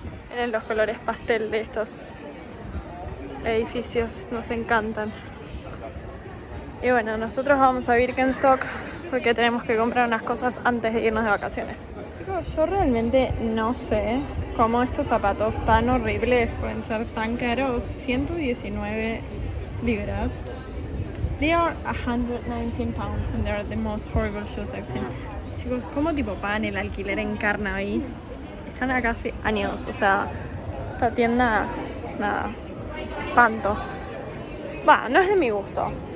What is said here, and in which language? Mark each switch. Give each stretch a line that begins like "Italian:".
Spanish: Miren los colores pastel de estos edificios, nos encantan. Y bueno, nosotros vamos a Birkenstock porque tenemos que comprar unas cosas antes de irnos de vacaciones. Yo realmente no sé cómo estos zapatos tan horribles pueden ser tan caros. 119 libras.
English: They are 119 pounds and they are the most horrible shoes I've seen.
Spanish: Chicos, ¿cómo tipo pagan el alquiler en Carnaby? Están acá hace años, o sea, esta tienda, nada, espanto. Bah, no es de mi gusto.